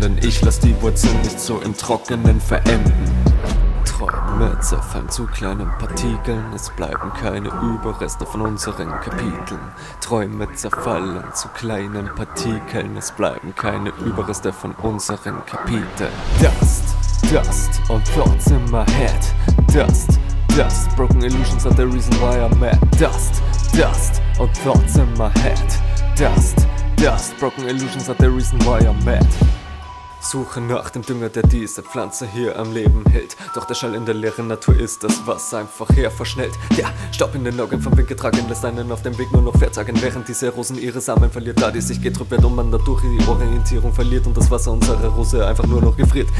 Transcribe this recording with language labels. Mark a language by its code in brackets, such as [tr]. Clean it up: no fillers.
[de] Denn ich lasse die Wurzeln nicht so im Trockenen verenden. Träume zerfallen zu kleinen Partikeln, es bleiben keine Überreste von unseren Kapiteln. Träume zerfallen zu kleinen Partikeln, es bleiben keine Überreste von unseren Kapiteln. [en] Dust, Dust, all thoughts in my head. Dust, Dust, broken illusions are the reason why I'm mad. Dust, Dust, all thoughts in my head. Dust, Dust, broken illusions are the reason why I'm mad. [de] Suche nach dem Dünger, der diese Pflanze hier am Leben hält. Doch der Schall in der leeren Natur ist das, was einfach her verschnellt. Der Staub in den Augen vom Wind getragen lässt einen auf dem Weg nur noch verzagen. Während diese Rosen ihre Samen verliert, da die sich getrübt wird und man dadurch die Orientierung verliert und das Wasser unserer Rose einfach nur noch gefriert.